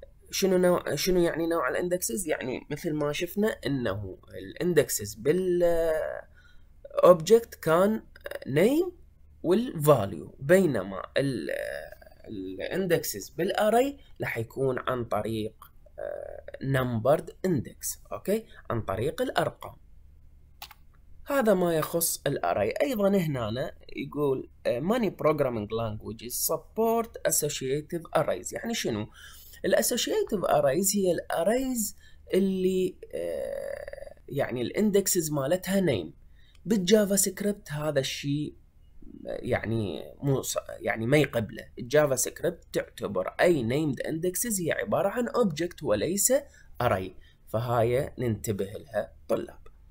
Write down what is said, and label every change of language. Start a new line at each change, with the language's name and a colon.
Arabic: شنو نوع، شنو يعني نوع الاندكسز؟ يعني مثل ما شفنا انه الاندكسز بالاوبجكت كان نيم والفاليو، بينما الاندكسز بالاري راح يكون عن طريق نمبرد اندكس، اوكي، عن طريق الارقام. هذا ما يخص الاري. ايضا هنا أنا يقول
English: many programming languages support associative arrays.
Arabic: يعني شنو الاسوشيتيف ارايز؟ هي الارايز اللي يعني الاندكسز مالتها نيم. بالجافا سكريبت هذا الشيء يعني مو يعني ما يقبله. الجافا سكريبت تعتبر اي نيمد اندكسز هي عباره عن اوبجكت وليس اراي، فهاي ننتبه لها طلاب.